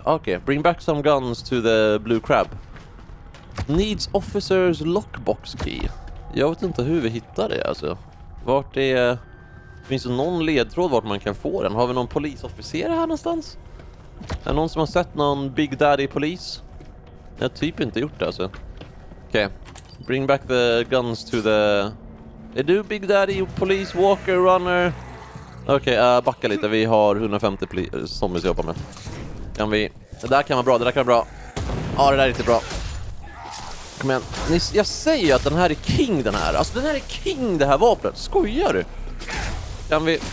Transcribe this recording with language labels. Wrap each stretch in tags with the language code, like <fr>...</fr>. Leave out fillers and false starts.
<en>Okay, bring back some guns to the blue crab. Needs officer's lockbox key.</en> <sv>Jag vet inte hur vi hittar det alltså. Vart är... Finns det någon ledtråd vart man kan få den? Har vi någon polisofficer här någonstans? Är någon som har sett någon Big Daddy polis? Jag har typ inte gjort det alltså.</sv> <en>Okay, bring back the guns to the...</en> <sv>Är du Big Daddy police walker runner? Okej, okay, backa lite. Vi har 150 zombies att jobba med. Kan vi... Det där kan vara bra, det där kan vara bra. Ja, det där är riktigt bra. Kom igen. Jag säger att den här är king, den här. Alltså, den här är king, det här vapnet. Skojar du? Kan vi...</sv>